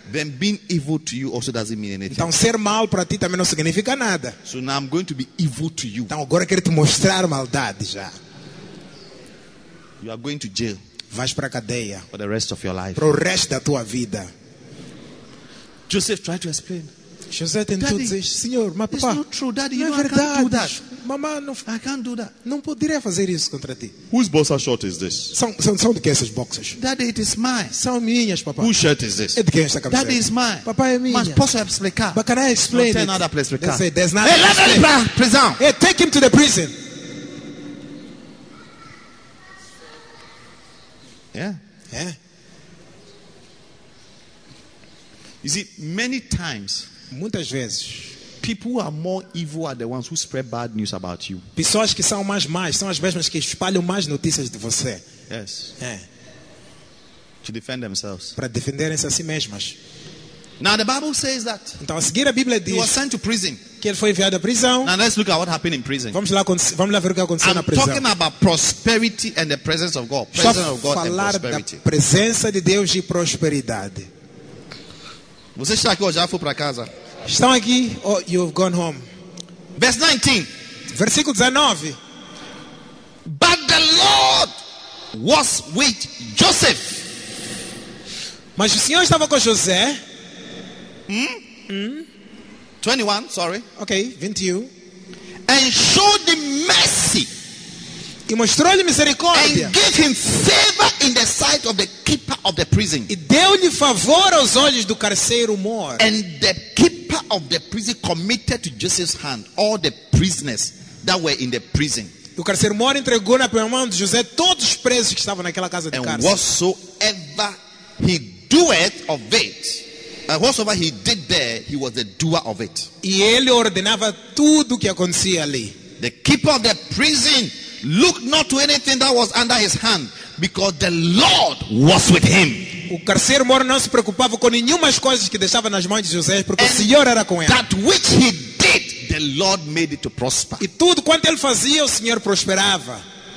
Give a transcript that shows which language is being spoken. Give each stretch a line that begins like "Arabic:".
English: then being evil to you also doesn't mean anything.
Portuguese: Então ser mal para ti também não significa nada.
English: So now I'm going to be evil to you.
Portuguese: Então agora quero te mostrar maldade já.
English: You are going to jail.
Portuguese: Vais para cadeia.
English: For the rest of your life.
Portuguese: Pro resto da tua vida.
English: Joseph tried to explain.
Portuguese: José tentou dizer, Senhor, mas papá,
English: it's not true, Daddy. You can't do that.
Portuguese: Mamá, não,
English: I can't do that.
Portuguese: Não poderia fazer isso contra ti.
English: Whose boxer short is this?
Portuguese: São de quem essas boxers?
English: Daddy, it is mine.
Portuguese: São minhas, papá.
English: Whose shirt is this?
Portuguese: É de quem essa camisa?
English: Daddy, it's mine.
Portuguese: Papá, é minha. Mas posso explicar?
English: But can I explain it? Tell another place to explain. They say there's nothing. Hey, let him in prison. Hey, take him to the prison. Yeah. Yeah. You see, many times,
Portuguese: muitas vezes,
English: people who are more evil are the ones who spread bad news about you.
Portuguese: Pessoas que são mais más são as mesmas que espalham mais notícias de você.
English: Yes.
Portuguese: É.
English: To defend themselves.
Portuguese: Para defenderem-se a si mesmas.
English: Now the Bible says that.
Portuguese: Então, a seguir a Bíblia diz.
English: He was sent to prison.
Portuguese: Que ele foi enviado à prisão.
English: Now let's look at what happened in prison.
Portuguese: Vamos lá ver o que aconteceu
English: I'm
Portuguese: na prisão.
English: I'm talking about prosperity and the presence of God.
Portuguese: Estou
English: presence of God
Portuguese: falar
English: and prosperity.
Portuguese: Da presença de Deus e prosperidade. Você está aqui ou já foi para casa? Estão aqui ou
English: you've gone home? Verse 19.
Portuguese: Versículo 19.
English: But the Lord was with Joseph.
Portuguese: Mas o Senhor estava com José.
English: 21, sorry. Okay, 21. And showed him mercy.
Portuguese: E mostrou-lhe misericórdia.
English: And gave him favor in the sight of the keeper of the prison.
Portuguese: E deu-lhe favor aos olhos do carceiro mor.
English: And the keeper of the prison committed to Joseph's hand all the prisoners that were in the prison.
Portuguese: O carceiro mor entregou na primeira mão de José todos os presos que estavam naquela casa de cárcere.
English: And whatsoever he doeth of it. And whatsoever he did there, he was the doer of it.
Portuguese: E ele ordenava tudo o que acontecia ali.
English: The keeper of the prison looked not to anything that was under his hand, because the Lord was with him.
Portuguese: O carcereiro moro não se preocupava com nenhuma das coisas que deixava nas mãos de José, porque o Senhor era com ele.
English: That which he did, the Lord made it to prosper.
Portuguese: E tudo quanto ele fazia, o Senhor prosperava.